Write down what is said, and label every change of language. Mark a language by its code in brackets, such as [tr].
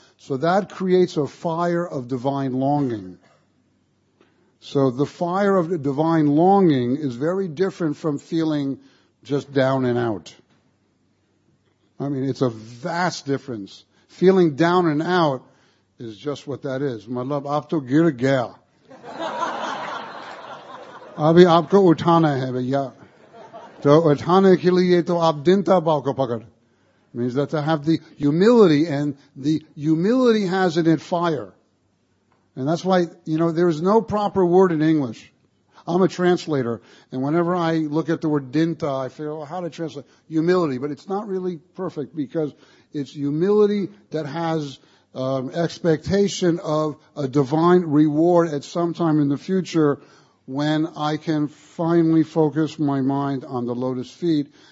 [en] So that creates a fire of divine longing. So the fire of the divine longing is very different from feeling just down and out. I mean, it's a vast difference. Feeling down and out is just what that is. My love, [hi] आपको गिर गया। अभी आपको उठाना है भैया। तो उठाने के लिए तो आप दिनता भाव को पकड़। [en] Means that to have the humility, and the humility has in it fire. And that's why, you know, there is no proper word in English. I'm a translator, and whenever I look at the word dinta, I figure, well, how to translate? Humility. But it's not really perfect, because it's humility that has expectation of a divine reward at some time in the future when I can finally focus my mind on the lotus feet.